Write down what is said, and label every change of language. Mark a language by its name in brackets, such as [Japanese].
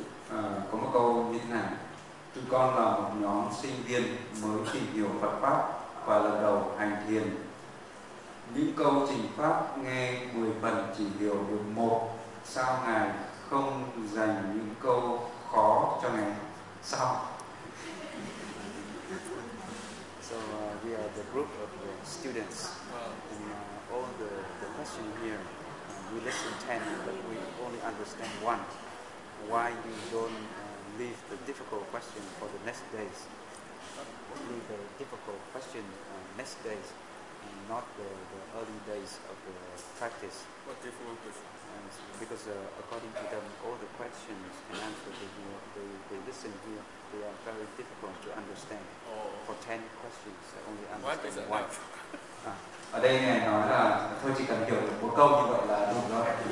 [Vietnamese] À, có một câu như thế này: chúng con là một nhóm sinh viên mới tìm hiểu Phật pháp và lần đầu hành thiền. Những câu trình pháp nghe 10 phần chỉ hiểu được 1, sao ngài không dành những câu khó cho ngài sao? [English] So we are the group of the students, and all the question here, we listen 10, but we only understand 1. Why you don't leave the difficult question for the next days? Leave the difficult question next days, and not the early days of the practice. What difficult question? Because according to them, all the questions and answers they listen here, they are very difficult to understand. Oh. For 10 questions, I only understand what is one. [Vietnamese] Ở đây ngài nói là thôi chỉ cần hiểu một câu như vậy là đủ rồi.